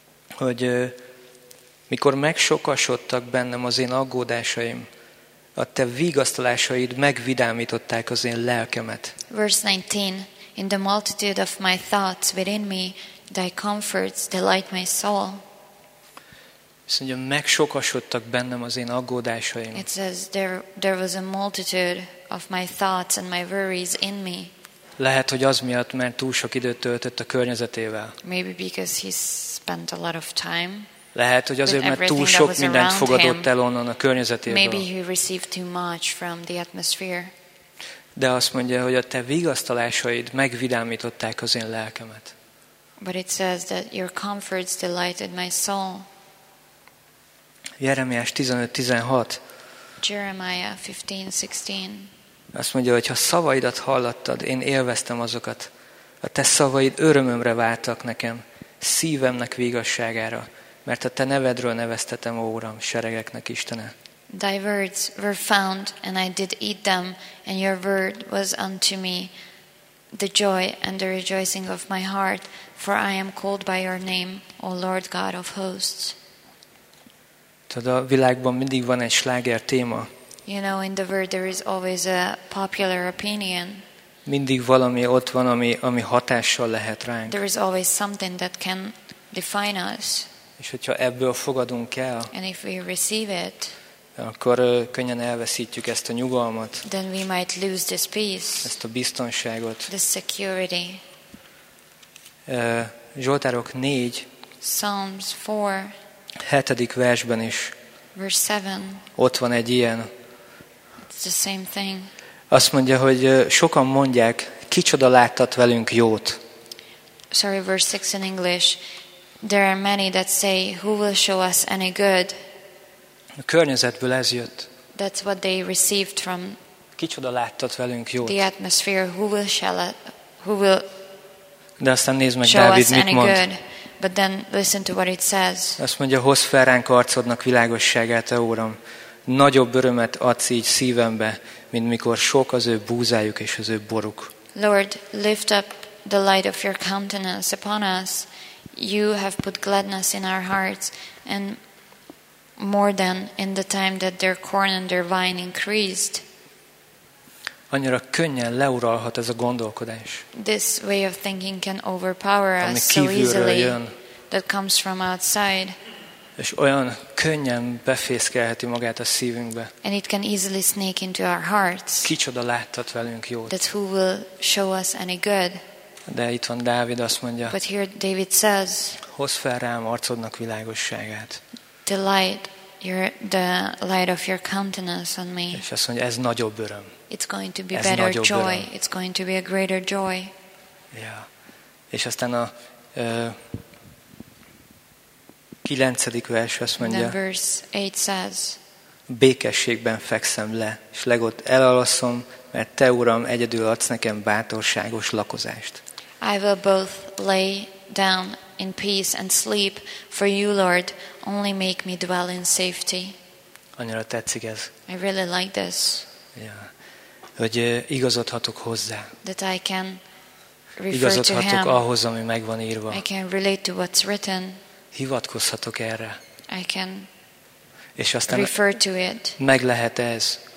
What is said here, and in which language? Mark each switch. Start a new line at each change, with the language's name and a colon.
Hungarian: Hogy mikor megsokasodtak bennem az én aggódásaim, a te vigasztalásaid megvidámították az én lelkemet.
English: Verse 19. In the multitude of my thoughts within me, thy comforts delight my soul.
Hungarian: Azt mondja, megsokasodtak bennem az én aggódásaim.
English: It says there was a multitude of my thoughts and my worries in me.
Hungarian: Lehet, hogy az miatt, mert túl sok időt töltött a környezetével.
English: Maybe because he spent a lot of time.
Hungarian: Lehet, hogy azért, mert túl sok mindent fogadott el onnan a környezetéből.
English: Maybe he received too much from the atmosphere.
Hungarian: De azt mondja, hogy a te vigasztalásaid megvidámították az én lelkemet.
English: But it says that your comforts delighted my soul.
Hungarian: Jeremiás 15:16.
English: Jeremiah 15:16.
Hungarian: Azt mondja, hogy ha szavaidat hallattad, én élveztem azokat. A te szavaid örömömre váltak nekem, szívemnek vigasságára. Mert a te nevedről neveztetem, ó Uram, seregeknek Istene.
English: Thy words were found, and I did eat them, and your word was unto me the joy and the rejoicing of my heart, for I am called by your name, O Lord God of hosts.
Hungarian: Tudod, a világban mindig van egy sláger téma.
English: You know, in the world there is always a popular opinion.
Hungarian: Mindig valami ott van, ami hatással lehet ránk.
English: There is always something that can define us.
Hungarian: És hogyha ebből fogadunk el,
English: and if we receive it,
Hungarian: akkor könnyen elveszítjük ezt a nyugalmat,
English: then we might lose this peace,
Hungarian: ezt a biztonságot.
English: This security.
Hungarian: Zsoltárok 4,
English: Psalms 4,
Hungarian: 7. versben is,
English: verse 7,
Hungarian: ott van egy ilyen.
English: It's the same thing.
Hungarian: Azt mondja, hogy sokan mondják, kicsoda láttat velünk jót.
English: Sorry, verse 6 in English. There are many that say, who will show us any good?
Hungarian: A környezetből ez jött.
English: That's what they received from.
Hungarian: Kicsoda láttat velünk jót.
English: The atmosphere, who will
Hungarian: de aztán nézd meg, Dávid mit mond.
English: Good, but then listen to what it says.
Hungarian: Azt mondja, hozz fel ránk arcodnak világosságát, a Uram. Nagyobb örömet adsz így szívembe, mint mikor sok az ő búzájuk és az ő boruk.
English: Lord, lift up the light of your countenance upon us. You have put gladness in our hearts, and more than in the time that their corn and their vine increased.
Hungarian: Annyira könnyen leuralhat ez a gondolkodás.
English: This way of thinking can overpower us so easily.
Hungarian: Jön,
English: that comes from outside.
Hungarian: És olyan könnyen befészkelheti magát a szívünkbe.
English: And it can easily sneak into our hearts.
Hungarian: Kicsoda láttat velünk jót.
English: That who will show us any good.
Hungarian: De itt van Dávid, azt mondja.
English: But here David says.
Hungarian: Hozz fel rám arcodnak világosságát.
English: The light of your countenance on me.
Hungarian: És azt mondja, ez nagyobb öröm.
English: It's going to be ez better joy.
Hungarian: Öröm.
English: It's going to be a greater joy.
Hungarian: Yeah. És aztán a 9. vers azt mondja.
English: And then verse 8 says.
Hungarian: Békességben fekszem le, és legott elalaszom, mert te, Uram, egyedül adsz nekem bátorságos lakozást.
English: I will both lay down in peace and sleep, for you, Lord, only make me dwell in safety.
Hungarian: Annyira tetszik ez.
English: I really like this. Yeah.
Hungarian: Hogy igazodhatok hozzá.
English: That I can refer
Hungarian: igazodhatok
English: to him.
Hungarian: Ahhoz, ami megvan írva.
English: I can relate to what's written.
Hungarian: Hivatkozhatok erre.
English: I can
Hungarian: és aztán
English: refer to it.
Hungarian: Meg lehet ez.